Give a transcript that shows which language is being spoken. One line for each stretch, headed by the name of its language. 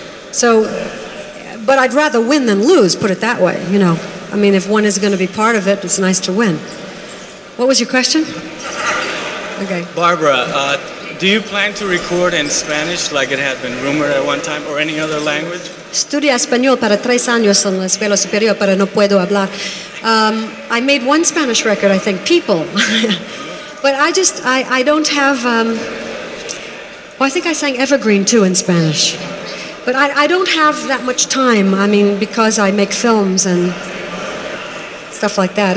English: So, but I'd rather win than lose, put it that way, you know. I mean, if one is going to be part of it, it's nice to win. What was your question? Okay. Barbara, do you plan to record in Spanish like it had been rumored at one time, or any other language?
Spanish: Estudia español para tres años en la escuela superior, pero no puedo hablar.
English: I made one Spanish record, I think, People. But I don't have, I think I sang Evergreen too in Spanish. But I don't have that much time, I mean, because I make films and stuff like that.